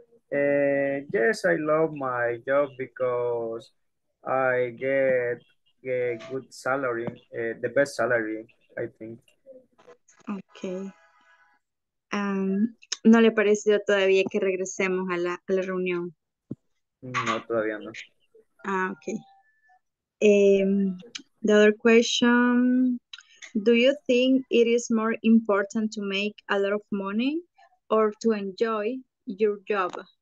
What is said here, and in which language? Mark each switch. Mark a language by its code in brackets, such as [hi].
[en] Yes, I love my job because I get a good salary, the best salary, I think. Okay. [es] ¿No le ha parecido todavía que regresemos a la reunión? No, todavía no. [en] Ah, okay. The other question, do you think it is more important to make a lot of money or to enjoy your job?